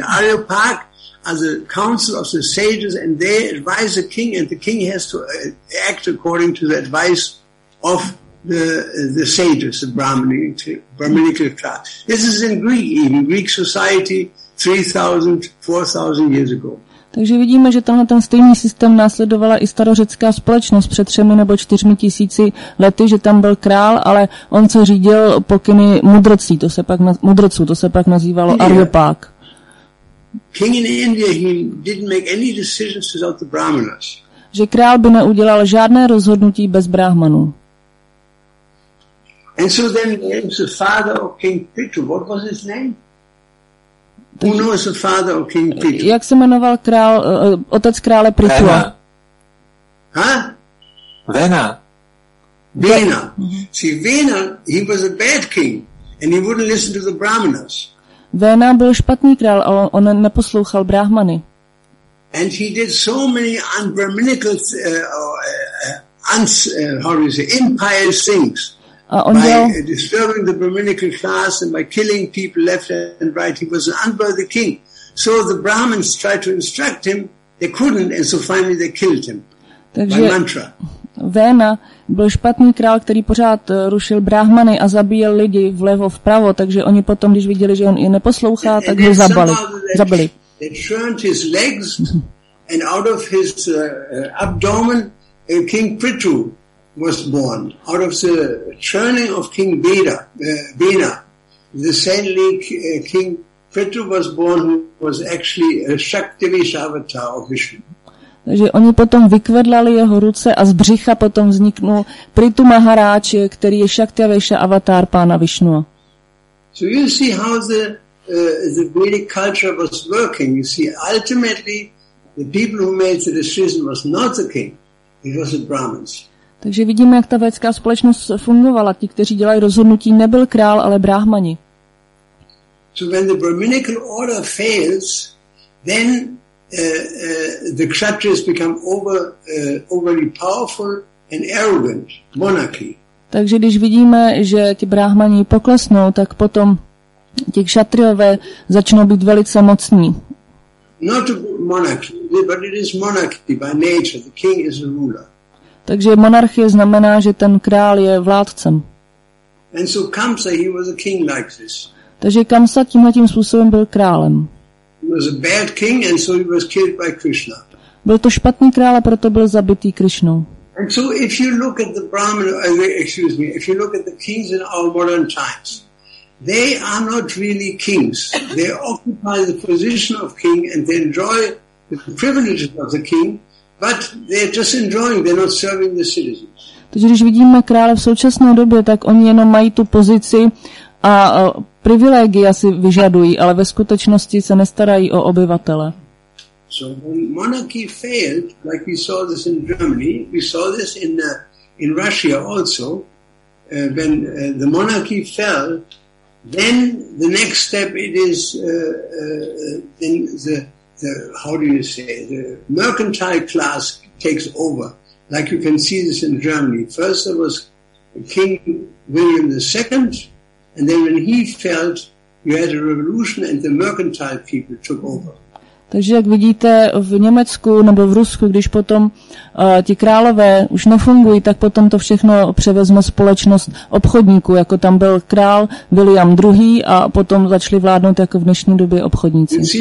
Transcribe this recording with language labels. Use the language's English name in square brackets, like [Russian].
[English] The Areopag are the council of the sages, and they advise the king, and the king has to act according to the advice of the sages, the Brahminical class. This is in Greek, even Greek society 3,000, 4,000 years ago. [Czech] Takže vidíme, že tenhle ten stejný systém následovala i starořecká společnost před 3,000 nebo 4,000 lety, že tam byl král, ale on se řídil pokyny mudrců, to se pak nazývalo Areopág. [English] King in India, he didn't make any decisions without the brahmanas. [Czech] Že král by neudělal žádné rozhodnutí bez brahmanů. [English] And so then there's the father of King Pitu. What was his name? Who knows the father of King Pitu? [Czech] Jak se jmenoval král, otec krále Pitua? Ha? Vena. Vena. Mm-hmm. [English] See, Vena, he was a bad king, and he wouldn't listen to the Brahmanas. [Czech] Vena byl špatný král, a on neposlouchal Brahmany. [English] And he did so many unbrahminical, impious things. [Czech] A on by dělal, [English] disturbing the brahminical class and by killing people left and right, he was an unworthy king. So the Brahmins tried to instruct him, they couldn't, and so finally they killed him. [Czech] Takže by mantra. Vena byl špatný král, který pořád rušil Brahmany a zabíjel lidi vlevo, vpravo, takže oni potom, když viděli, že on je neposlouchá, tak ho zabili. [English] They turned his legs and out of his abdomen King Prithu was born. Out of the churning of King Vena, the saintly King Prithu was born, who was actually a Shaktivishavata of Vishnu. [Czech] Takže oni potom vykvedlali jeho ruce a z břicha potom vzniknul Prithu Maharaj, který je Shaktivesha avatar pána Vishnu. [English] So you see how the Vedic culture was working. You see, ultimately the people who made the decision was not the king. It was the Brahmins. [Czech] Takže vidíme, jak ta vedská společnost fungovala. Ti, kteří dělají rozhodnutí, nebyl král, ale Brahmani. [English] So when the Brahminical order fails, then the Kshatriyas become overly powerful and arrogant monarchy. [Czech] Takže když vidíme, že ti Brahmani poklesnou, tak potom ti kšatriové začnou být velice mocní. [English] Not monarchy, but it is monarchy by nature. The king is the ruler. [Czech] Takže monarchie znamená, že ten král je vládcem. [English] And so Kamsa, he was a king like this. [Czech] Takže Kamsa tímhletím způsobem byl králem. [English] He was a bad king, and so he was killed by Krishna. [Czech] Byl to špatný král, a proto byl zabitý Krishnou. [English] And so if you look at the Brahmin, if you look at the kings in our modern times, they are not really kings. They occupy the position of king and they enjoy the privileges of the king, but they're just enjoying, they're not serving the citizens. [Czech] Takže když vidíme krále v současné době, tak oni jenom mají tu pozici a privilegia si vyžadují, ale ve skutečnosti se nestarají o obyvatele. [English] So when monarchy failed, like we saw this in Germany, we saw this in Russia also, when the monarchy fell, then the next step it is then the mercantile class takes over, like you can see this in Germany. First there was King William II, and then when he fell, you had a revolution and the mercantile people took over. [Czech] Takže jak vidíte v Německu nebo v Rusku, když potom ti králové už nefungují, tak potom to všechno převezme společnost obchodníků, jako tam byl král William II a potom začali vládnout jako v dnešní době obchodníci.